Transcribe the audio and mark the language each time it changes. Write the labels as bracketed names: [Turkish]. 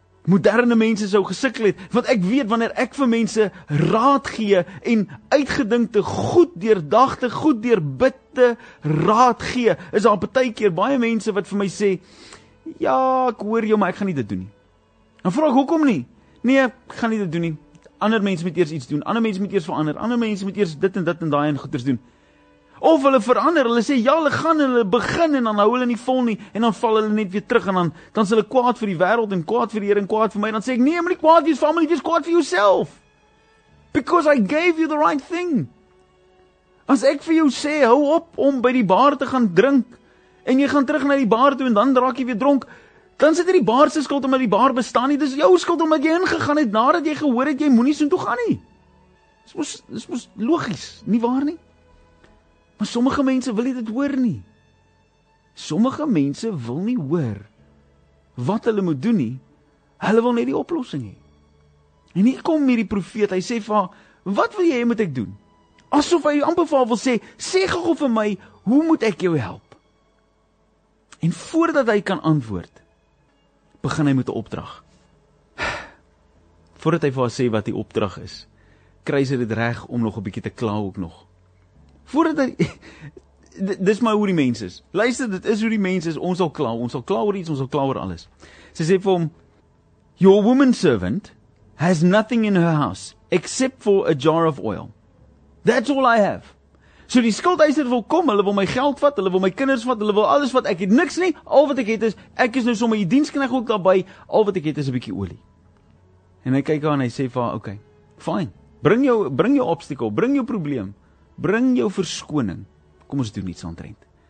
[Afrikaans] moderne mense sou gesukkel het, want ek weet wanneer ek vir mense raad gee en uitgedinkte, goed deurdagte, goed deurbidde raad gee, is daar partykeer baie mense wat vir my sê, ja, ek hoor jou, maar ek gaan nie dit doen nie. En vraag, hoekom nie? Nee, ek gaan nie dit doen nie. Ander mense moet eers iets doen, ander mense moet eers verander, ander mense moet eers dit en dit en daai en goeders doen. Of hulle verander, hulle sê, ja, hulle gaan, hulle begin, en dan hou hulle nie vol nie, en dan val hulle net weer terug, en dan is hulle kwaad vir die wereld, en kwaad vir die Heer, en kwaad vir my, en dan sê ek, nee, maar nie kwaad vir die familie, wees kwaad vir jouself. [English] Because I gave you the right thing. [Afrikaans] As ek vir jou sê, hou op om by die bar te gaan drink, en jy gaan terug na die bar toe, en dan raak jy weer dronk, dan sit die bar se skuld omdat die bar bestaan nie, dis jou skuld omdat jy ingegaan het, nadat jy gehoor het, jy moet nie so toe gaan nie. Dis mos logies, nie waar nie. Maar sommige mense wil nie dit hoor nie. Sommige mense wil nie hoor wat hulle moet doen nie. Hulle wil net die oplossing hê. En hier kom hierdie profeet, hy sê vir haar, wat wil jy moet ek doen? Asof hy amper vir haar wil sê, sê gou vir my, hoe moet ek jou help? En voordat hy kan antwoord, begin hy met 'n opdrag. Voordat hy vir haar sê wat die opdrag is, kry sy dit reg om nog 'n bietjie te kla ook nog. Voordat hy, dis maar hoe die mens is. Luister, dit is hoe die mens is, ons sal kla oor iets, ons sal kla oor alles. Sy sê vir hom, [English] your woman servant has nothing in her house, except for a jar of oil. That's all I have. [Afrikaans] So die skuldeiser wil kom, hulle wil my geld vat, hulle wil my kinders vat, hulle wil alles vat, ek het niks nie, al wat ek het is, ek is nou sommer die dienskneg ook daarby, al wat ek het is 'n bietjie olie. En hy kyk aan, hy sê vir haar, okay, fine, bring jou obstacle, bring jou probleem, bring jou verskoning, kom ons doen iets aantrent.